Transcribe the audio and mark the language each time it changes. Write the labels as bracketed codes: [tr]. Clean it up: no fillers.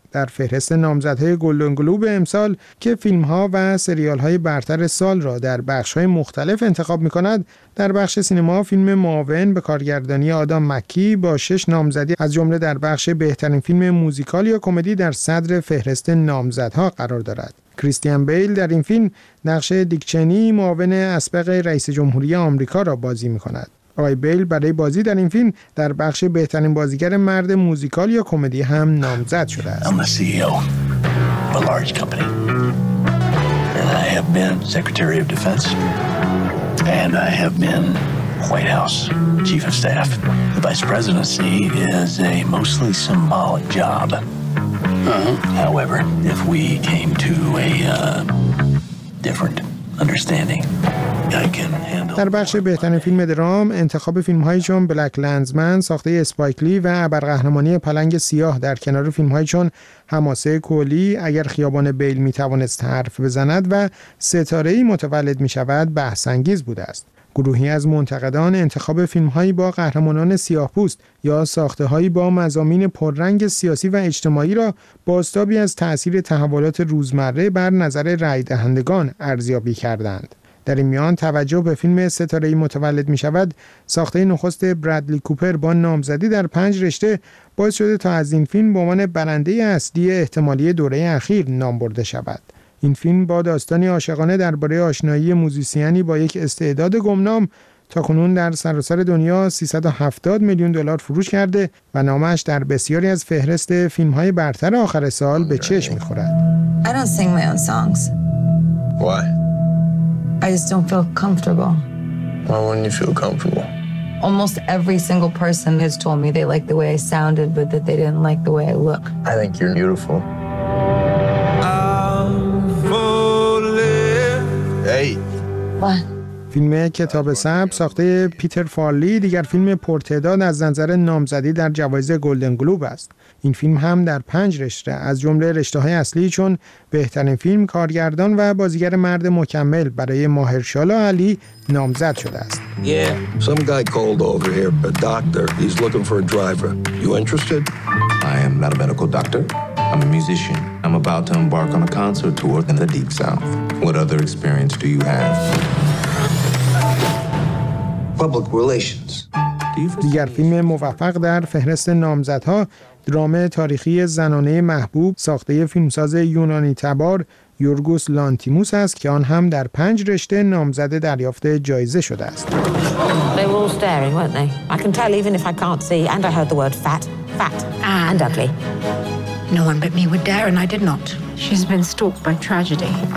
[fa] در فهرست نامزدهای گلدن گلوب امسال که فیلمها و سریالهای برتر سال را در بخشهای مختلف انتخاب میکند، در بخش سینما فیلم معاون به کارگردانی آدام مکی با 6 نامزدی از جمله در بخش بهترین فیلم موزیکال یا کمدی در صدر فهرست نامزدها قرار دارد. کریستیان بیل در این فیلم نقش دیک چنی، معاون اسبق رئیس جمهوری آمریکا را بازی می‌کند. آقای بیل برای بازی در این فیلم در بخش بهترین بازیگر مرد موزیکال یا کمدی هم نامزد شده است. [en] I'm the CEO of a large company. And I have been Secretary of Defense. And I have been White House Chief of Staff. The Vice Presidency is a mostly symbolic job. However, if we came to a different understanding, I can handle. [fa] در بخش بهترین فیلم درام، انتخاب فیلم‌های چون بلک لندزمن ساخته اسپایک لی و ابرقهرمانی پلنگ سیاه در کنار فیلم‌های چون حماسه کولی، اگر خیابان بیل می‌توانست حرف بزند و ستاره‌ای متولد می‌شود، بحث‌انگیز بوده است. گروهی از منتقدان انتخاب فیلم‌هایی با قهرمانان سیاه‌پوست یا ساخته‌هایی با مضامین پررنگ سیاسی و اجتماعی را بازتابی از تأثیر تحولات روزمره بر نظر رای‌دهندگان ارزیابی کردند. در این میان توجه به فیلم ستاره‌ای متولد می‌شود، ساخته نخست برادلی کوپر با نامزدی در 5 رشته، باعث شده تا از این فیلم به عنوان برنده اصلی احتمالی دوره اخیر نام برده شود. این فیلم با داستانی عاشقانه درباره آشنایی موزیسیانی با یک استعداد گمنام تا کنون در سراسر دنیا 370 میلیون دلار فروش کرده و نامش در بسیاری از فهرست فیلم‌های برتر آخر سال به چشم می‌خورد. [en] I don't sing my own songs. Why? I just don't feel comfortable. Why wouldn't you feel comfortable? Almost every single person has told me they like the way I sounded but that they didn't like the way I look. I think you're beautiful. [fa] فیلم کتاب سبز ساخته پیتر فارلی دیگر فیلم پرتعداد از نظر نامزدی در جوایز گلدن گلوب است. این فیلم هم در 5 رشته از جمله رشته های اصلی چون بهترین فیلم، کارگردان و بازیگر مرد مکمل برای ماهرشالا علی نامزد شده است. [en] Some guy called over here, a doctor. He's looking for a driver. You interested? I am not a medical doctor. I'm a musician. I'm about to embark on a concert tour in the deep south. What other experience do you have? Public relations. [fa] دیگر فیلم موفق در فهرست نامزدها درام تاریخی زنانه محبوب ساخته فیلمساز یونانی تبار یورگوس لانتیموس است که آن هم در 5 رشته نامزد دریافت جایزه شده است. [en] They were all staring, weren't they? I can tell even if I can't see and I heard the word fat. Fat and ugly. No one but me would dare and I did not. She's been stalked by tragedy.